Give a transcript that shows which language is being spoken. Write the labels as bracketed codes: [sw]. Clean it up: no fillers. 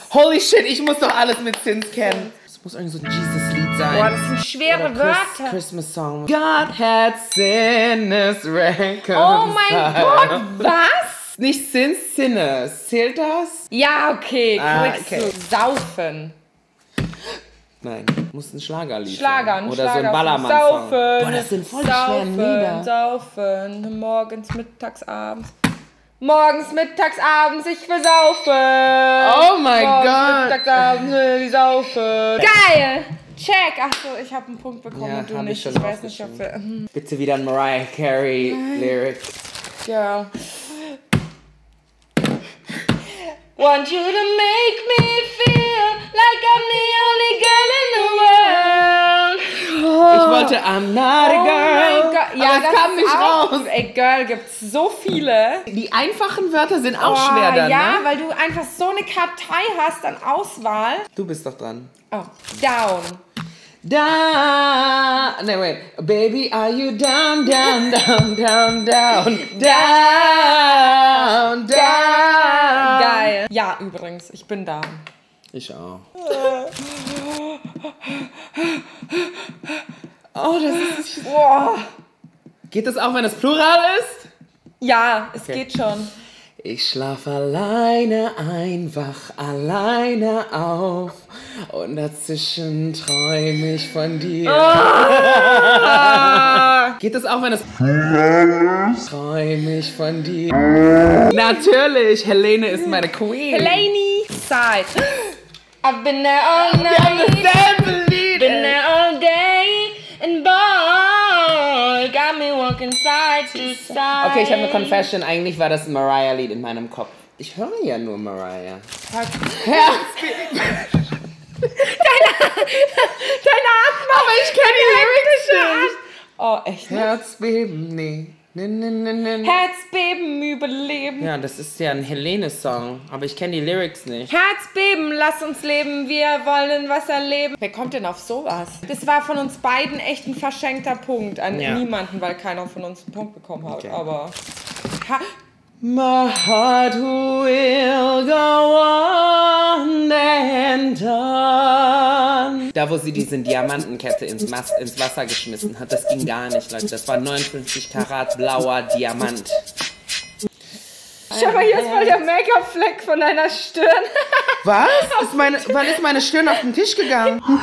[en] Holy shit, [de] ich muss doch alles mit Sins kennen. Das muss irgendwie so ein Jesus-Lied sein. Boah, das sind schwere Wörter. Christmas-Song. [en] God had sinners reckoned. [de] Oh mein Gott, was? Nicht Sins, Sinners. Zählt das? Ja, okay. Kriegst du. Saufen. Nein, muss ein Schlagerlied sein. Schlager. So ein Ballermann-Song. Saufen. Boah, das sind voll die schweren Lieder. Saufen, morgens, mittags, abends. Morgens, mittags, abends, ich will saufen. Oh mein Gott. Morgens, mittags, abends, ich will saufen. Geil. Check. Achso, ich habe einen Punkt bekommen ja, und du nicht. Ich schon ich weiß nicht, ob wir... Bitte wieder ein Mariah Carey-Lyric. [en] Girl. Want you to make me feel like I'm the only girl in the world. [de] Ich wollte, [en] I'm not a girl. [de] Oh mein Gott. Ja, aber das kam nicht raus. Ey, Girl, gibt's so viele. Die einfachen Wörter sind auch schwer dann, ja, ne? Weil du einfach so eine Kartei hast an Auswahl. Du bist doch dran. [en] Oh, down. Down. [de] Nein, [en] wait. Baby, are you down, down, down, down, down, down, down. [de] Geil. Ja, übrigens, ich bin da. Ich auch. Oh, das ist... Boah. Geht das auch, wenn es Plural ist? Ja, es geht schon. Ich schlaf alleine, einfach alleine auf. Und dazwischen träum ich von dir. Oh. Geht das auch, wenn es Plural ist? Träum ich von dir. Oh. Natürlich, Helene ist meine Queen. Helene, Zeit. [en] I've been there all night. [de] Wir haben dasselbe Lied. [en] Been there all day and boy, got me walking side to side. [de] Okay, ich habe eine Confession. Eigentlich war das ein Mariah-Lied in meinem Kopf. Ich höre ja nur Mariah. Deine Atem. Aber ich kenne die Lyrics nicht. Oh, echt? Herzbeben, nee. Herzbeben überleben. Ja, das ist ja ein Helene-Song, aber ich kenne die Lyrics nicht. Herzbeben, lass uns leben, wir wollen was erleben. Wer kommt denn auf sowas? Das war von uns beiden echt ein verschenkter Punkt an niemanden, weil keiner von uns einen Punkt bekommen hat. Okay. Aber. [en] My heart will go on and on. [de] da wo sie diese Diamantenkette ins Wasser geschmissen hat, das ging gar nicht, Leute. Das war 59 Karat blauer Diamant. Schau mal, hier ist mal der Make-up-Fleck von deiner Stirn. Was? Wann ist meine Stirn auf den Tisch gegangen?